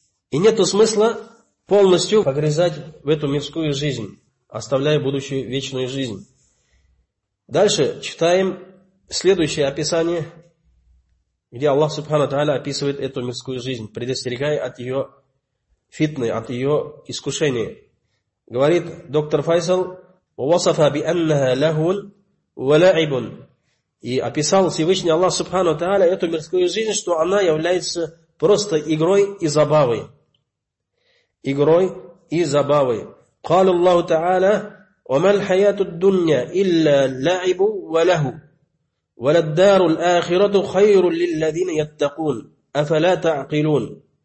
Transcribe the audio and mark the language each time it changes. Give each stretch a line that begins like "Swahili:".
Russian: И нету смысла полностью погрязать в эту мирскую жизнь, оставляя будущую вечную жизнь. Дальше читаем следующее описание, где Аллах Субхану Та'аля описывает эту мирскую жизнь, предостерегая от ее фитны, от ее искушения. Говорит доктор Файсал,
Arabic: وَوَصَفَ بِأَنَّهَا لَهُنْ وَلَعِبٌ.
Russian: И описал Всевышний Аллах Субхану Та'аля эту мирскую жизнь, что она является просто игрой и забавой. Игрой и забавой.
Arabic: قَالُ اللَّهُ تَعَالَى وَمَا الْحَيَاتُ الدُّنْيَا إِلَّا لَعِبُ وَلَهُ وَلَدَّارُ الْآخِرَةُ خَيْرٌ لِلَّذِينَ يَتَّقُونَ أَفَلَا تَعْقِلُونَ.